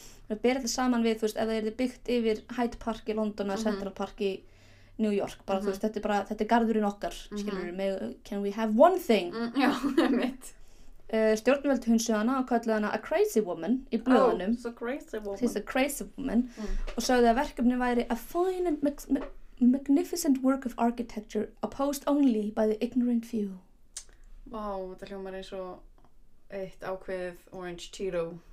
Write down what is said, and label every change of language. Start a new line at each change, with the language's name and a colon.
Icelandic: að bera þetta saman við, þú veist, ef það er byggt yfir Hyde Park í London eða Central Park í New York, bara þú veist, þetta er bara, þetta er garðurinn okkar, skilur við,
English: can we have one thing?
Icelandic: Já, mitt. Stjórnvöld hunsu hana og kallið hana
English: a crazy woman
Icelandic: í blöðunum.
English: Oh, so crazy woman. She's a crazy woman.
Icelandic: Og sagði að verkefni væri
English: a fine and magnificent work of architecture opposed only by the ignorant few.
Icelandic: Vá, þetta hljómar eins og eitt ákveðið Orange Tito.